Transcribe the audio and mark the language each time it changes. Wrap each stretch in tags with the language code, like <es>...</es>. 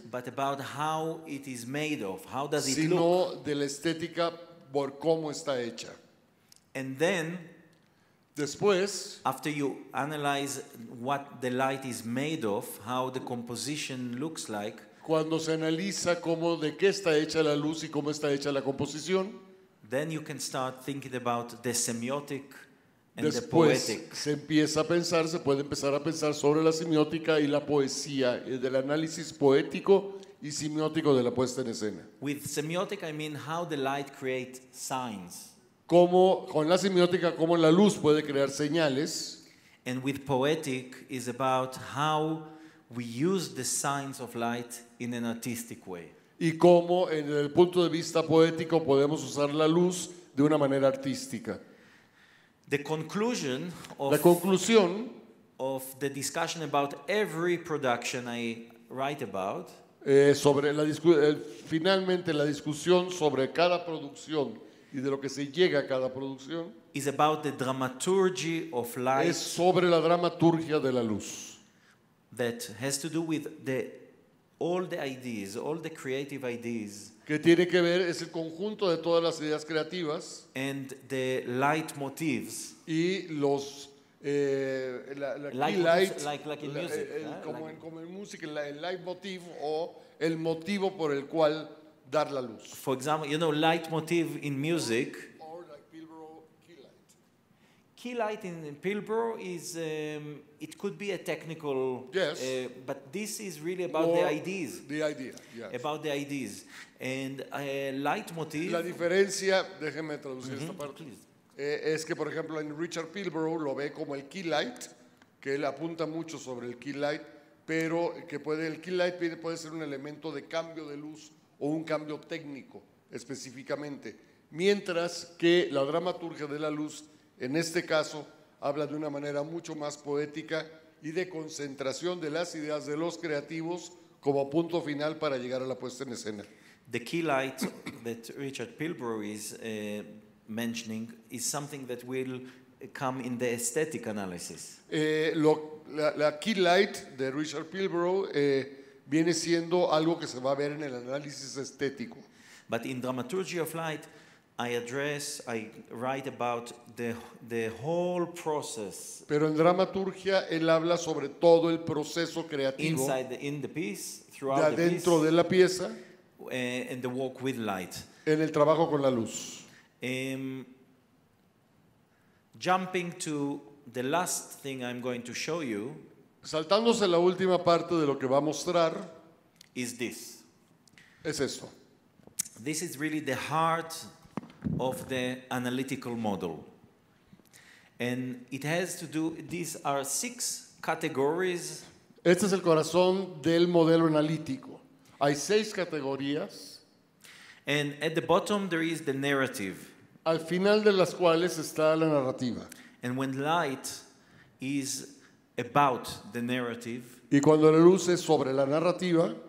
<en>But about how it is made of, how does it look?</en> <es>Sino de la estética por cómo está hecha.</es> <en>And then,</en> <es>después,</es> <en>after you analyze what the light is made of, how the composition looks like,</en> <es>cuando se analiza cómo de qué está hecha la luz y cómo está hecha la composición,</es> <en>then you can start thinking about the semiotic and</en> <es>después,</es> <en>the poetic.</en> <es>Se puede empezar a pensar sobre la semiótica y la poesía, del análisis poético y semiótico de la puesta en escena.</es> <en>With semiotic, I mean how the light creates signs.</en> <es>Como, con la semiótica, cómo la luz puede crear señales.</es> <en>And with poetic is about how we use the signs of light in an artistic way.</en> <es>Y cómo, en el punto de vista poético, podemos usar la luz de una manera artística.</es> <en>The conclusion of</en> <es>la conclusión</es> <en>of the discussion about every production I write about.</en> <es>Sobre la finalmente la discusión sobre cada producción y de lo que se llega a cada producción.</es> <en>Is about the dramaturgy of light.</en> <es>Es sobre la dramaturgia de la luz.</es> <en>That has to do with the all the ideas, all the creative ideas.</en> <es>Que tiene que ver es el conjunto de todas las ideas creativas.</es> <en>And the light motifs.</en> <es>Y los como en música el leitmotiv o el motivo por el cual dar la luz.</es> <en>For example, you know, leitmotiv in music. Or like Pilbro key light. Key light in Pilbro is it could be a technical. Yes. But this is really about the ideas. The idea. Yes. About the ideas, and leitmotiv.</en> <es>La diferencia. Déjeme traducir esta parte.</es> <en>Please.</en> <es>Es que, por ejemplo, en Richard Pilbrow lo ve como el key light, que él apunta mucho sobre el key light, pero que puede, el key light puede ser un elemento de cambio de luz o un cambio técnico específicamente. Mientras que la dramaturgia de la luz, en este caso, habla de una manera mucho más poética y de concentración de las ideas de los creativos como punto final para llegar a la puesta en escena.</es> <en>The key light that Richard Pilbrow is mentioning is something that will come in the aesthetic analysis.</en> <es>La key light de Richard Pilbrow viene siendo algo que se va a ver en el análisis estético.</es> <en>But in Dramaturgy of Light, I write about the whole process.</en> <es>Pero en Dramaturgia él habla sobre todo el proceso creativo.</es> <en>Inside in the piece, throughout</en> <es>de adentro</es> <en>the piece,</en> <es>de la pieza.</es> <en>And the work with light.</en> <es>En el trabajo con la luz.</es> <en>Jumping to the last thing I'm going to show you.</en> <es>Saltándose la última parte de lo que va a mostrar.</es> <en>Is this?</en> <es>Es esto.</es> <en>This is really the heart of the analytical model, and it has to do. These are six categories.</en> <es>Este es el corazón del modelo analítico. Hay seis categorías.</es> <en>And at the bottom there is the narrative.</en> <es>Al final de las cuales está la narrativa.</es> <en>And when light is about the narrative,</en> <es>y cuando la luz es sobre la narrativa,</es>